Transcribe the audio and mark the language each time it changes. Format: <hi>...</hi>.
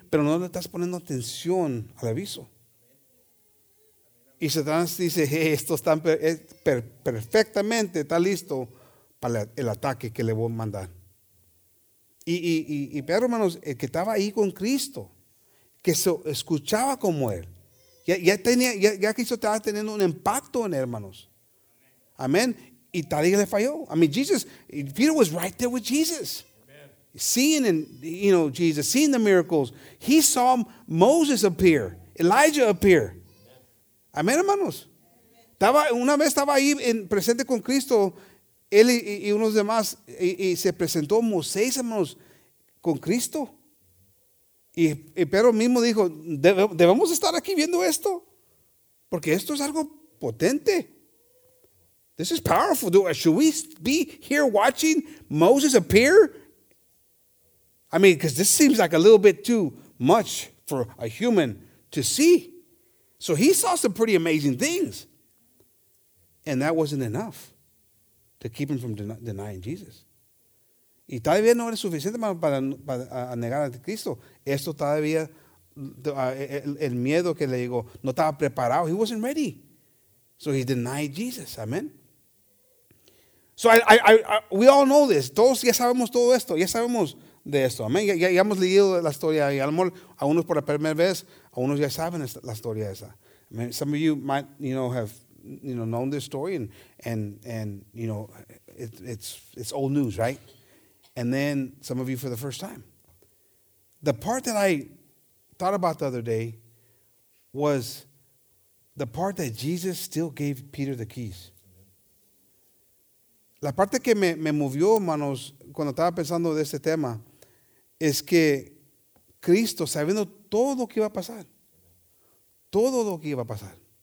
<es>Pero no le estás poniendo atención al aviso. Y Satanás dice, hey, esto está perfectamente, está listo para el ataque que le voy a mandar. Y Pedro, hermanos, el que estaba ahí con Cristo, que se escuchaba como él, ya Cristo estaba teniendo un impacto en él, hermanos. Amén. Y tal y le falló.</es> <en>I mean, Jesus, Peter was right there with Jesus. Amen. Seeing the miracles. He saw Moses appear, Elijah appear.</en> <es>Amén, hermanos. Una vez estaba ahí presente con Cristo, él y unos demás, y se presentó Moisés, hermanos, con Cristo. Y Pedro mismo dijo, ¿debemos estar aquí viendo esto? Porque esto es algo potente.</es> <en>This is powerful. Should we be here watching Moses appear? I mean, because this seems like a little bit too much for a human to see. So he saw some pretty amazing things. And that wasn't enough to keep him from denying Jesus.</en> <es>Y todavía no era suficiente para negar a Cristo. Esto todavía, el miedo que le llegó, no estaba preparado.</es> <en>He wasn't ready. So he denied Jesus. Amen. So we all know this.</en> <es>Todos ya sabemos todo esto. Ya sabemos de esto. Amen. Ya hemos leído la historia. Y a lo mejor a unos por la primera vez, unos ya saben la historia esa.</es> <en>I mean, some of you might, you know, have, you know, known this story, and you know, it's old news, right? And then some of you for the first time. The part that I thought about the other day was the part that Jesus still gave Peter the keys.</en> <es>La parte que me movió, hermanos, cuando estaba pensando de este tema, es que Cristo, sabiendo todo lo que iba a pasar, todo lo que iba a pasar.</es>